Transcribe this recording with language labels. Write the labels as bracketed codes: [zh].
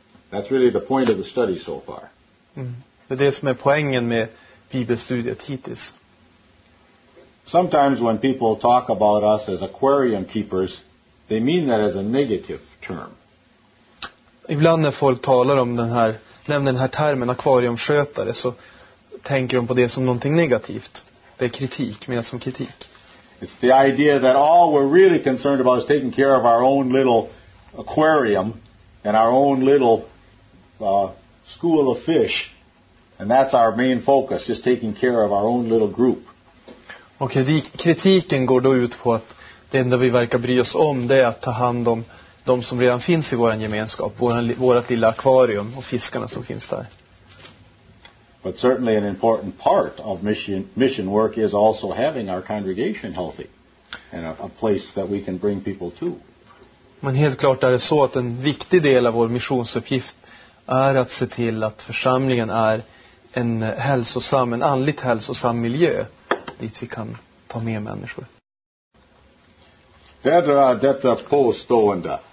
[en] That's really the point of the study so far. [sv] Det är det som är poängen med bibelstudiet hittills. [en] Sometimes when people talk about us as aquarium keepers, they mean that as a negative term. [sv] Ibland när folk talar om den här nämner den här termen akvariumskötare så tänker de på det som någonting negativt. Det är kritik, menas som kritik. [en] It's the idea that all we're really concerned about is taking care of our own little aquarium and our own little school of fish. And that's our main focus, just taking care of our own little group. [sv] Och kritiken går då ut på att det enda vi verkar bry oss om det är att ta hand om de som redan finns i vår gemenskap, vårt lilla akvarium och fiskarna som finns där. [en] But certainly an important part of mission work is also having our congregation healthy and a place that we can bring people to. [sv] Men helt klart är det så att en viktig del av vår missionsuppgift är att se till att församlingen är en hälsosam, en andligt hälsosam miljö dit vi kan ta med människor. Detta påstående.